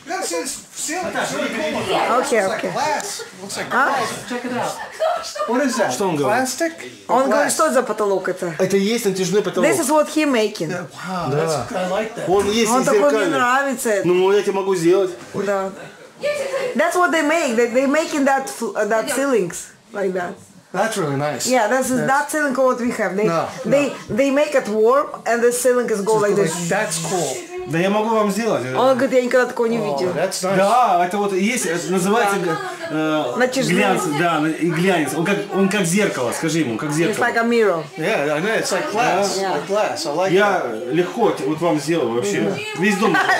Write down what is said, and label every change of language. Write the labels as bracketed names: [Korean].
[Russian] Да, все, Наташа, иди комнату. Окей. Что он говорит? Он говорит, что за потолок это? Это есть натяжной потолок. [English] This is what he making. [Russian] Да. Он есть из зеркала. Он такой, мне нравится. Ну, я тебе могу сделать. [English] Да. That's what they make. They making that that ceilings like that. That's really nice. Yeah, that's that ceiling what we have. They make it warm and the ceiling is go like this. That's cool. [Russian] Да я могу вам сделать. Он говорит, я никогда такого не видел. [English] That's nice. [Russian] Да, это вот есть, это называется глянец. Да, и глянец. Он как зеркало, скажи ему, как зеркало. [English] It's like a mirror. Yeah, I know. It's like glass. Yeah. Like glass. I like. [Russian] Я легко вот вам сделаю вообще. Yeah. Весь дом.